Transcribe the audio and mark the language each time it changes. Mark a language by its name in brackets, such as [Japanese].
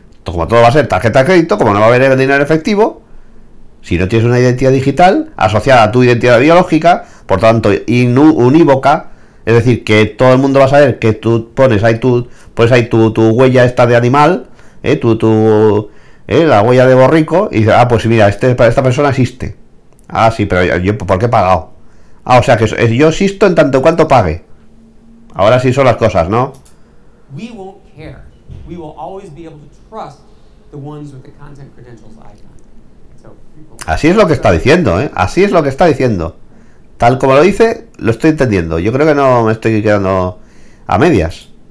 [Spanish] Como todo va a ser tarjeta de crédito, como no va a haber dinero efectivo, si no tienes una identidad digital asociada a tu identidad biológica, por tanto unívoca, es decir, que todo el mundo va a saber que tú pones ahí tu huella esta de animal, la huella de borrico, y dices, ah, pues mira, esta persona existe. Ah, sí, pero yo ¿por qué he pagado? Ah, o sea que yo existo en tanto cuanto pague. Ahora sí son las cosas, ¿no? [English] We won't care. We will always be able to trust the ones with the content credentials icon. [Spanish] Así es lo que está diciendo, ¿eh? Así es lo que está diciendo. Tal como lo dice, lo estoy entendiendo. Yo creo que no me estoy quedando a medias.